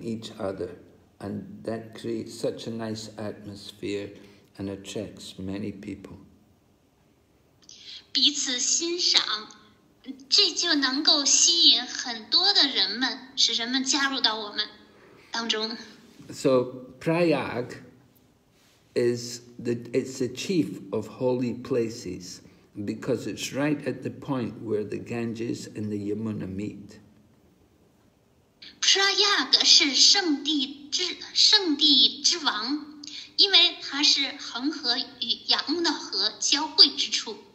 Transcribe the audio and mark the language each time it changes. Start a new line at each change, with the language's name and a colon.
English: each other, and that creates such a nice atmosphere and attracts many people.
Chinese: 彼此欣赏。这就能够吸引很多的人们，使人们加入到我们当中。
English: So Prayag is it's the chief of holy places because it's right at the point where the Ganges and the Yamuna meet. Prayag is
Chinese: 圣地之王, 因为它是恒河与雅穆那河交汇之处.